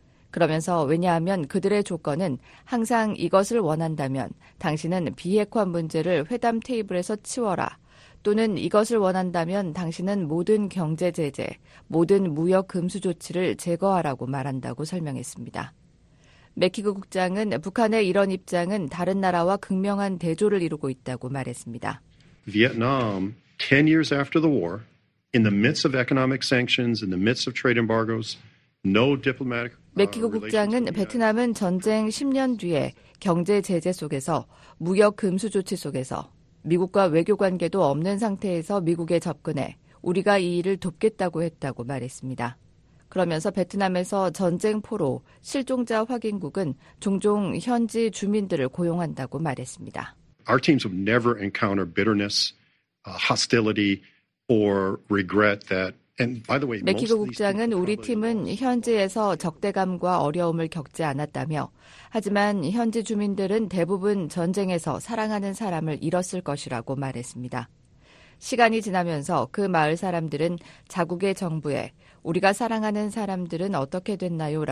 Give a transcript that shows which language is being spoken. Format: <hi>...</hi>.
<ko>그러면서 왜냐하면 그들의 조건은 항상 이것을 원한다면 당신은 비핵화 문제를 회담 테이블에서 치워라 또는 이것을 원한다면 당신은 모든 경제 제재, 모든 무역 금수 조치를 제거하라고 말한다고 설명했습니다. 맥히그 국장은 북한의 이런 입장은 다른 나라와 극명한 대조를 이루고 있다고 말했습니다.</ko> <en>Vietnam, 10 years after the war, in the midst of economic sanctions, in the midst of trade embargoes, no diplomatic</en> <ko>맥히그 국장은 베트남은 전쟁 10년 뒤에 경제 제재 속에서 무역 금수 조치 속에서 미국과 외교 관계도 없는 상태에서 미국에 접근해 우리가 이 일을 돕겠다고 했다고 말했습니다. 그러면서 베트남에서 전쟁 포로, 실종자 확인국은 종종 현지 주민들을 고용한다고 말했습니다.</ko> <en>Our teams would never encounter bitterness, hostility or regret that</en> <ko>맥히그 국장은 우리 팀은 현지에서 적대감과 어려움을 겪지 않았다며 하지만 현지 주민들은 대부분 전쟁에서 사랑하는 사람을 잃었을 것이라고 말했습니다. 시간이 지나면서 그 마을 사람들은 자국의 정부에 우리가 사랑하는 사람들은 어떻게 됐나요?</ko>